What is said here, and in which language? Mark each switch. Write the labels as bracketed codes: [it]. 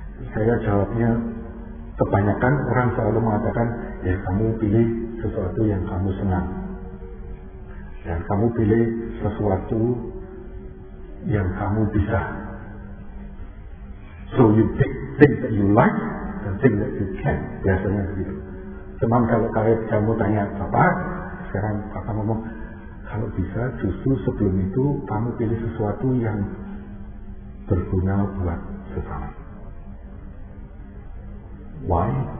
[id] Saya jawabnya, kebanyakan orang selalu mengatakan, ya kamu pilih sesuatu yang kamu senang, dan kamu pilih sesuatu yang kamu bisa. [en] So you pick things that you like and things that you can. [id] Biasanya begitu. Cuman kalau kamu tanya Papa, sekarang Papa ngomong, kalau bisa justru sebelum itu kamu pilih sesuatu yang berguna buat sesama. [en] Why?